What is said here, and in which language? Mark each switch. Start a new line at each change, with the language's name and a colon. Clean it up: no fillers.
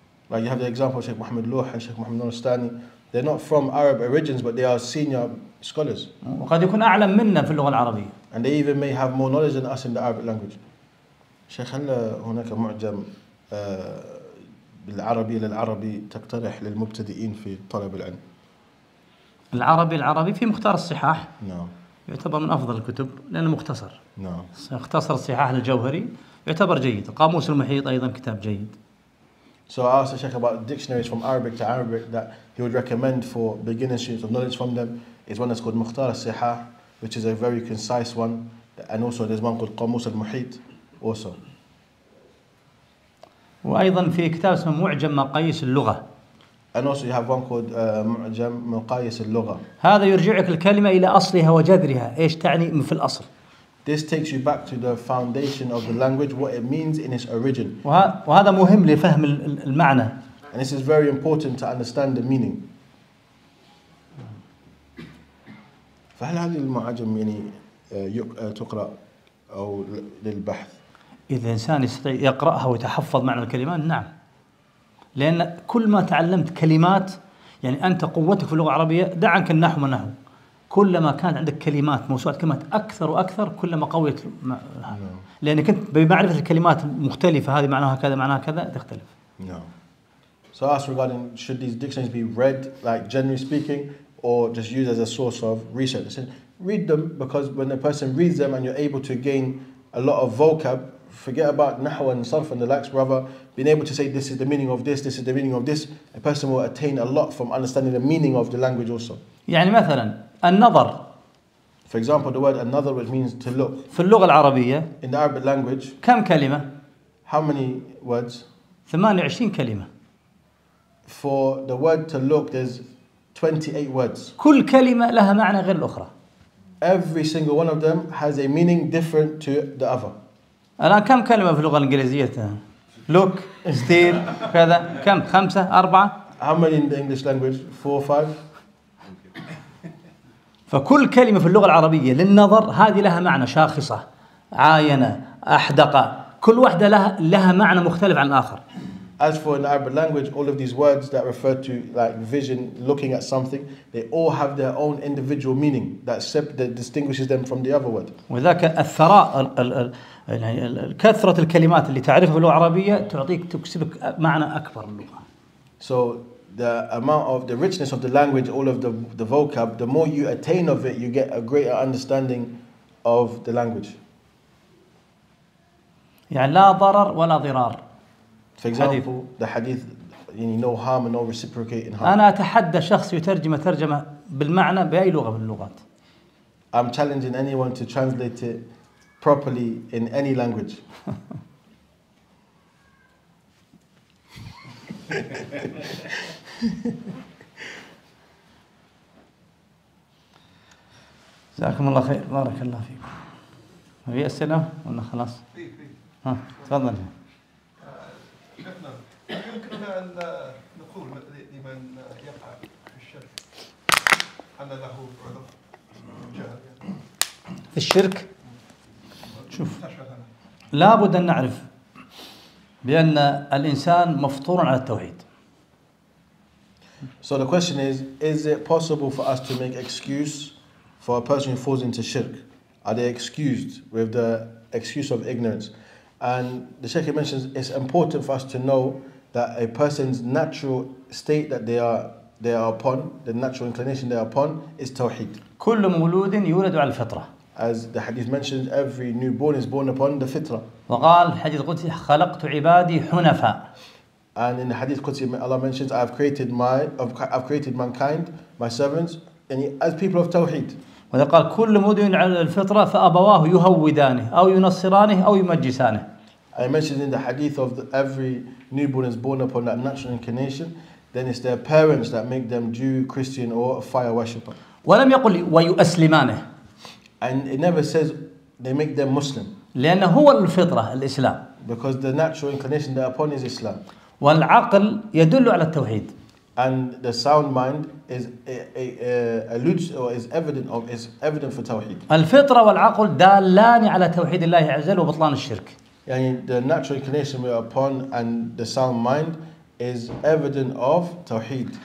English: Like you have the example of Sheikh Muhammad Loh and Sheikh Muhammad Nuristani. They're not from Arab origins, but they are senior scholars.
Arabic: وقد يكون أعلم منا في اللغة العربية.
English: And they even may have more knowledge than us in the Arabic language.
Arabic: شيخ هل هناك معجم بالعربي للعربي تقترح للمبتدئين في طلب العلم؟ العربي العربي في مختار الصحاح. نعم. يعتبر من أفضل الكتب لأنه مختصر. نعم. اختصر الصحاح للجوهري. يعتبر جيد. قاموس المحيط أيضا كتاب جيد.
English: So I asked the Sheikh about dictionaries from Arabic to Arabic that he would recommend for beginner students of knowledge from them. It's one that's called Mukhtar al-Sihah, which is a very concise one. And also there's one called قاموس المحيط also.
Arabic: وأيضا في كتاب اسمه معجم مقاييس اللغة.
English: And also you have one called معجم مقاييس اللغة.
Arabic: هذا يرجعك الكلمة إلى أصلها وجذرها. إيش تعني من في الأصل؟
English: This takes you back to the foundation of the language, what it means in its origin.
Arabic: وهذا مهم لفهم المعنى.
English: And this is very important to understand the meaning.
Arabic: فهل هذه المعجم يعني تقرأ أو للبحث؟ إذا إنسان يستطيع يقرأها ويتحفظ معنى الكلمات نعم. لأن كل ما تعلمت كلمات يعني أنت قوتك في اللغة العربية دع عنك النحو ما نحو. كلما كان عندك كلمات موسوعة كلمات أكثر وأكثر كلما قويت معها. لأن كنت بمعرفة الكلمات مختلفة هذه معناها كذا معناها كذا تختلف.
English: No. So I asked regarding should these dictionaries be read like generally speaking or just used as a source of research. I said read them because when a person reads them and you're able to gain a lot of vocab, forget about نحو and صرف and the likes, rather being able to say this is the meaning of this, this is the meaning of this, a person will attain a lot from understanding the meaning of the language also.
Arabic: يعني مثلاً النظر.
English: For example, the word another, which means to look.
Arabic: في اللغة العربية.
English: In the Arabic language.
Arabic: كم كلمة؟
English: How many words?
Arabic: 28 كلمة.
English: For the word to look, there's 28 words.
Arabic: كل كلمة لها معنى غير الأخرى.
English: Every single one of them has a meaning different to the other.
Arabic: أنا كم كلمة في اللغة الإنجليزية؟
English: Look, stare,
Arabic: كذا. كم؟ خمسة، أربعة.
English: How many in the English language? Four, five.
Arabic: فكل كلمة في اللغة العربية للنظر هذه لها معنى شاخصة، عاينة، أحدقة، كل واحدة لها معنى مختلف عن الآخر.
English: As for in Arabic language, all of these words that refer to like vision, looking at something, they all have their own individual meaning that that distinguishes them from the other word.
Arabic: وذاك الثراء يعني كثرة الكلمات اللي تعرفها باللغة العربية تعطيك تكسبك معنى أكبر من اللغة.
English: So the amount of the richness of the language, all of the vocab, the more you attain of it, you get a greater understanding of the language.
Arabic: يعني لا ضرر ولا ضرار.
English: For example, the hadith, you know, no harm and no reciprocating harm.
Arabic: أنا أتحدى شخص يترجم ترجمة بالمعنى بأي لغة من اللغات.
English: I'm challenging anyone to translate it properly in any language.
Arabic: جزاكم الله خير، بارك الله فيكم. في أسئلة ولا خلاص؟ ها تفضل. هل يمكننا أن نقول لمن يقع في الشرك أن له عذر؟ في الشرك؟ شوف، لابد أن نعرف بأن الإنسان مفطور على التوحيد.
English: So the question is it possible for us to make excuse for a person who falls into shirk? Are they excused with the excuse of ignorance? And the Sheikh mentions it's important for us to know that a person's natural state that they are upon, the natural inclination they are upon, is tawheed.
Arabic: كل مولود يولد على الفطرة.
English: As the hadith mentions, every newborn is born upon the fitra.
Arabic: وقال حديث قدسي خلقت عبادي حنفاء.
English: And in the hadith قدسي, Allah mentions, I've created mankind, my servants, and as people of tawheed.
Arabic: وقال كل مولود على الفطرة فأبواه يهودانه أو ينصرانه أو يمجسانه.
English: I mentioned in the hadith of every newborn is born upon that natural inclination, then it's their parents that make them Jew, Christian, or a fire worshipper.
Arabic: ولم يقل ويؤسلمانه.
English: And it never says they make them Muslim.
Arabic: لأن هو الفطرة الإسلام.
English: Because the natural inclination they're upon is Islam.
Arabic: والعقل يدل على التوحيد.
English: And the sound mind is alludes or is evident of is evident for tawhid.
Arabic: الفطرة والعقل دالان على توحيد الله عز وجل وبطلان الشرك. يعني
English: the natural inclination we are upon and the sound mind is evident of tawhid.